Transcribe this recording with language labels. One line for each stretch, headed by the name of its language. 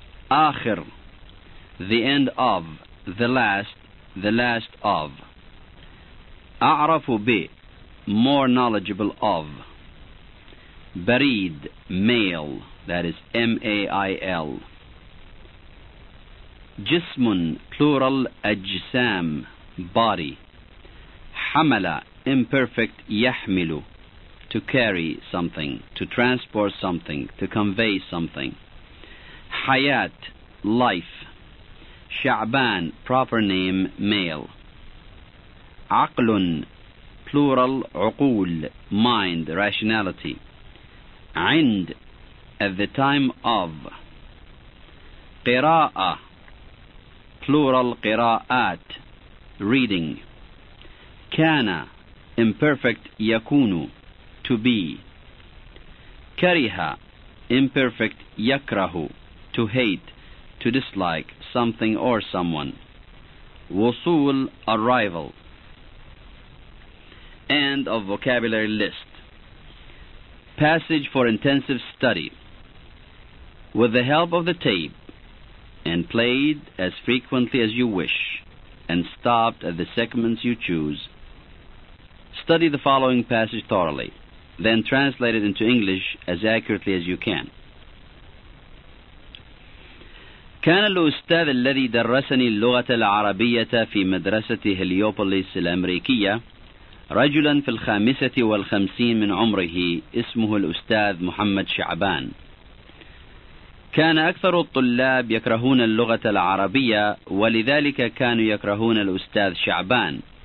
English: آخر, the end of, the last of. أعرف ب, more knowledgeable of. بريد, male, that is M-A-I-L. جسم, plural أجسام, body. حمل, imperfect يحمل, to carry something, to transport something, to convey something. حياة, life. شعبان, proper name, male. عقل, plural عقول, mind, rationality. عند, at the time of. قراءة, plural قراءات, reading. كان, imperfect يكون, to be. كره, imperfect يكره, to hate, to dislike something or someone. وصول, arrival. End of vocabulary list. Passage for intensive study. With the help of the tape, and played as frequently as you wish, and stopped at the segments you choose, study the following passage thoroughly, then translate it into English as accurately as you can.
Arabic: كان الأستاذ الذي درسني اللغة العربية في مدرسة هليوبوليس الأمريكية رجلا في الخامسة والخمسين من عمره اسمه الأستاذ محمد شعبان. كان أكثر الطلاب يكرهون اللغة العربية ولذلك كانوا يكرهون الأستاذ شعبان.